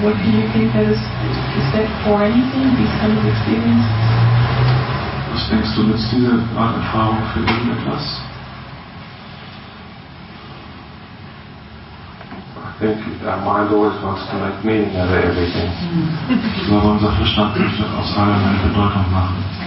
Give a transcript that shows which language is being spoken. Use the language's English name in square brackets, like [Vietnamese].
[English] What do you think that is that for anything, these kind of experiences? [German] Was denkst du, nützt diese Art Erfahrung für irgendetwas? [English] I think that my Lord wants to make meaning out of everything. [German] So unser Verstand möchte aus allem eine Bedeutung machen.